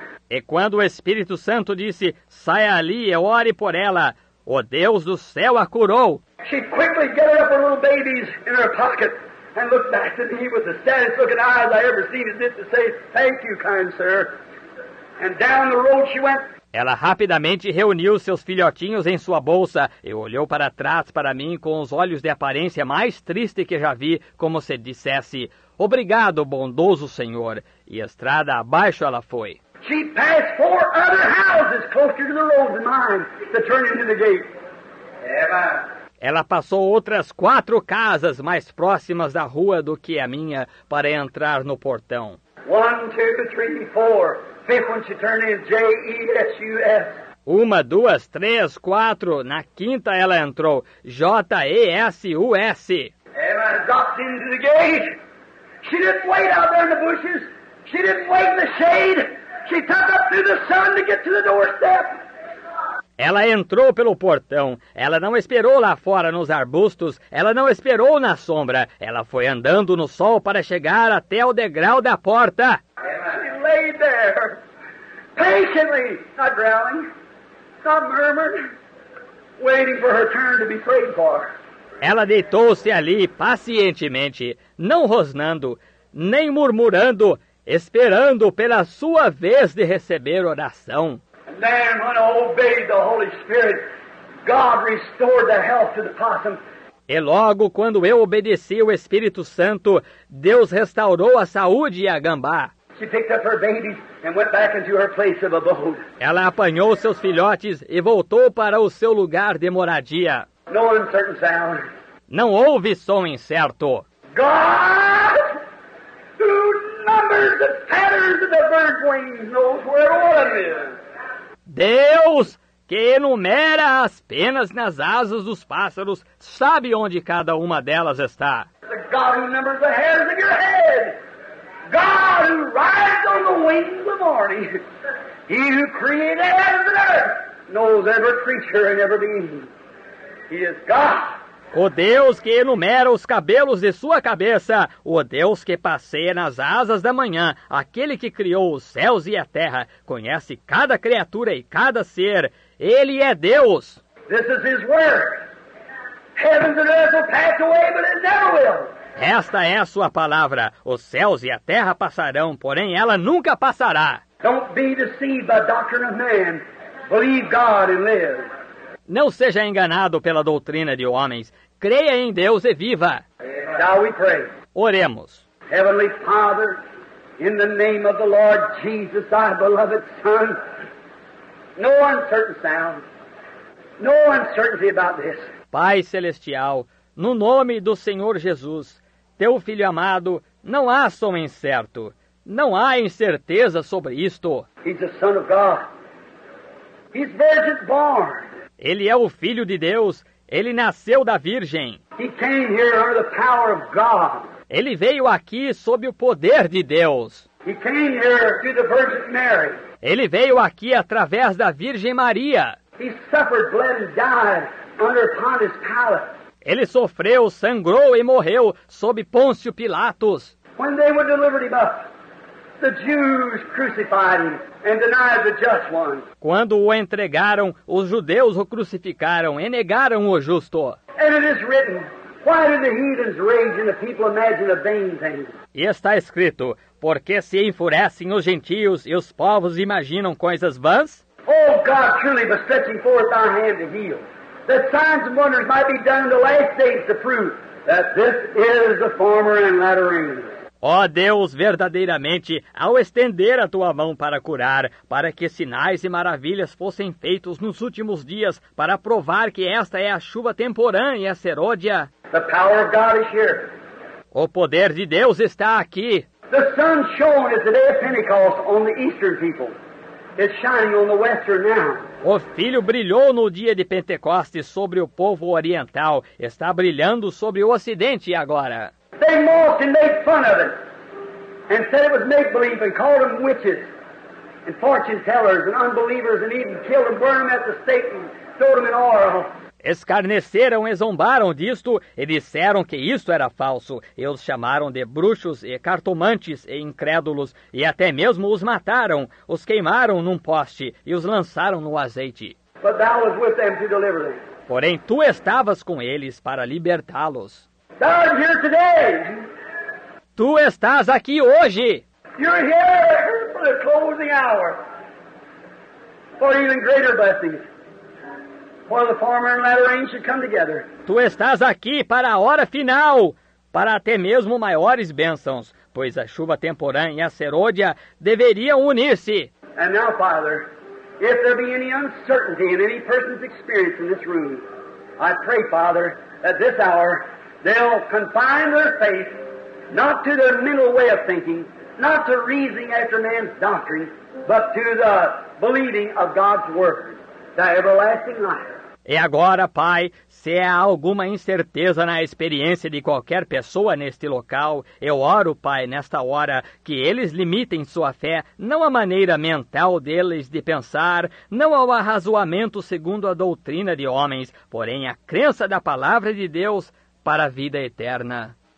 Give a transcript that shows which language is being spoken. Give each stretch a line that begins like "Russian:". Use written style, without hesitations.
Portuguese: E quando o Espírito Santo disse, saia ali e ore por ela, o Deus do céu a curou.
English: She quickly got up her little babies in her pocket and looked back at me with the saddest looking eyes I ever seen, as if to say, thank you, kind sir. And down the road she went.
Portuguese: Ela rapidamente reuniu seus filhotinhos em sua bolsa e olhou para trás para mim com os olhos de aparência mais triste que já vi, como se dissesse, obrigado, bondoso senhor. E estrada abaixo ela foi.
English: She passed four other houses closer to the road than mine to turn into the gate. Amen.
Portuguese: Ela passou outras quatro casas mais próximas da rua do que a minha para entrar no portão.
English: One, two, three, four. Fifth one she turned in, J-E-S-U-S.
Portuguese: Uma, duas, três, quatro. Na quinta ela entrou, J-E-S-U-S.
English: Emma dropped into the gate. She didn't wait out there in the bushes. She didn't wait in the shade. She took up through the sun to get to the doorstep.
Portuguese: Ela entrou pelo portão. Ela não esperou lá fora nos arbustos. Ela não esperou na sombra. Ela foi andando no sol para chegar até o degrau da porta.
English: She lay there, patiently, not growling, not murmuring, waiting for her turn to be prayed for.
Portuguese: Ela deitou-se ali pacientemente, não rosnando, nem murmurando, esperando pela sua vez de receber oração.
English: Man, when I obeyed the Holy Spirit, God restored the health to the possum.
Portuguese: E logo, quando eu obedeci o Espírito Santo, Deus restaurou a saúde e a gambá.
English: She picked up her babies and went back into her place of abode.
Portuguese: Ela apanhou seus filhotes e voltou para o seu lugar de moradia.
English: No uncertain sound.
Portuguese: Não houve som incerto.
English: God, who numbers the feathers of the bird's wings, knows where one is.
Portuguese: Deus, que enumera as penas nas asas dos pássaros, sabe onde cada uma delas está.
English: The God who numbers the hairs of your head. God who rides on the wings of the morning. He who created heaven and earth knows every creature and every being. He is God.
Portuguese: O Deus que enumera os cabelos de sua cabeça, o Deus que passeia nas asas da manhã, aquele que criou os céus e a terra, conhece cada criatura e cada ser. Ele é Deus.
English: This is his work. Heavens and earth will pass away, but it never will.
Portuguese: Esta é a sua palavra. Os céus e a terra passarão, porém ela nunca passará.
English: Don't be deceived by the doctrine of man. Believe God and live.
Portuguese: Não seja enganado pela doutrina de homens. Creia em Deus e viva.
English: Now we pray.
Portuguese: Oremos.
English: Heavenly Father, in the name of the Lord Jesus, our beloved Son, no uncertain sound, no uncertainty about this.
Portuguese: Pai Celestial, no nome do Senhor Jesus, teu Filho amado, não há som incerto. Não há incerteza sobre isto.
English: He's the Son of God. He's virgin born.
Portuguese: Ele é o Filho de Deus. Ele nasceu da Virgem.
English: He came here under the power of God.
Portuguese: Ele veio aqui sob o poder de Deus.
English: He came here through the Virgin Mary.
Portuguese: Ele veio aqui através da Virgem Maria.
English: He suffered, bled, and died under Pontius Pilate.
Portuguese: Ele sofreu, sangrou e morreu sob Pôncio Pilatos.
English: When they were delivered him up, the Jews crucified him. And denied the just one.
Portuguese: Quando o entregaram, os judeus o crucificaram e negaram o justo.
English: And it is written, Why do the heathens rage and the people imagine a vain thing?
Portuguese: E está escrito, por que se enfurecem os gentios e os povos imaginam coisas vãs?
English: Oh God, truly bestretching forth thy hand to heal. That signs and wonders might be done in the last days to prove that this is the former and latter reign.
Portuguese: Ó Deus, verdadeiramente, ao estender a tua mão para curar, para que sinais e maravilhas fossem feitos nos últimos dias, para provar que esta é a chuva temporã e a Serôdia.
English: The power of God is here.
Portuguese: O poder de Deus está aqui.
English: The sun shone at the day of Pentecost on the eastern people. It's shining on the western now.
Portuguese: O filho brilhou no dia de Pentecostes sobre o povo oriental. Está brilhando sobre o ocidente agora.
English: They mocked and made fun of it, and said it was make-believe, and called them witches, and fortune-tellers, and unbelievers, and even killed and burned them at the stake, and threw them in oil.
Portuguese: Escarneceram e zombaram disto, e disseram que isto era falso. E os chamaram de bruxos e cartomantes e incrédulos, e até mesmo os mataram, os queimaram num poste, e os lançaram no azeite.
English: But thou was with them to deliver them.
Portuguese: Porém, tu estavas com eles para libertá-los.
English: Thou art here today.
Portuguese: Tu estás aqui hoje.
English: You're here for the closing hour. For even greater blessings. For the former and latter rain should come together.
Portuguese: Tu estás aqui para a hora final, para até mesmo maiores bênçãos, pois a chuva temporã e a serôdia deveriam unir-se.
English: And now, Father, if there be any uncertainty in any person's experience in this room, I pray, Father, at this hour, they'll confine their faith not to their mental way of thinking, not to reasoning after man's doctrine, but to the believing of God's word, the everlasting life.
Portuguese: E agora, Pai, se há alguma incerteza na experiência de qualquer pessoa neste local, eu oro, Pai, nesta hora, que eles limitem sua fé, não à maneira mental deles de pensar, não ao arrazoamento segundo a doutrina de homens, porém à crença da palavra de Deus para a vida eterna.